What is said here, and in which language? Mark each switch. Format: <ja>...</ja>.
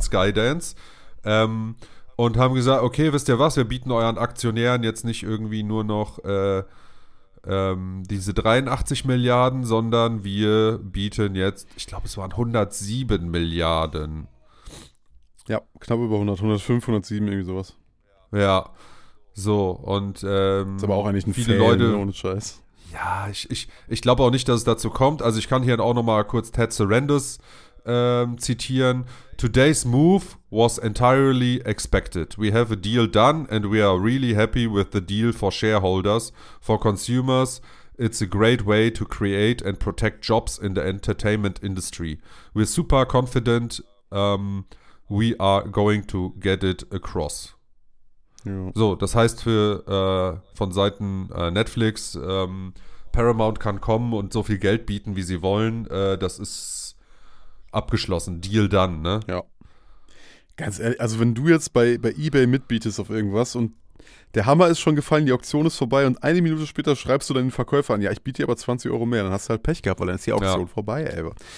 <de>Skydance, und haben gesagt, okay, wisst ihr was, wir bieten euren Aktionären jetzt nicht irgendwie nur noch diese 83 Milliarden, sondern wir bieten jetzt, ich glaube, es waren 107 Milliarden. Ja, knapp über 100, 105, 107, irgendwie sowas. Ja, so, und Ist aber auch eigentlich ein viele Fail, ne? Leute. Ohne Scheiß. Ja, ich glaube auch nicht, dass es dazu kommt. Also ich kann hier auch noch mal kurz Ted Sarandos zitieren.</de> <en>Today's move was entirely expected. We have a deal done and we are really happy with the deal for shareholders. For consumers, it's a great way to create and protect jobs in the entertainment industry. We're super confident we are going to get it across.</en> <de>Ja. So, das heißt für von Seiten Netflix, Paramount kann kommen und so viel Geld bieten, wie sie wollen. Das ist abgeschlossen.</de> <en>Deal done,</en> <de>ne? Ja. Ganz ehrlich, also wenn du jetzt bei eBay mitbietest auf irgendwas und der Hammer ist schon gefallen, die Auktion ist vorbei und eine Minute später schreibst du deinen Verkäufer an, ja, ich biete dir aber 20 Euro mehr, dann hast du halt Pech gehabt, weil dann ist die Auktion ja vorbei, ey.</de>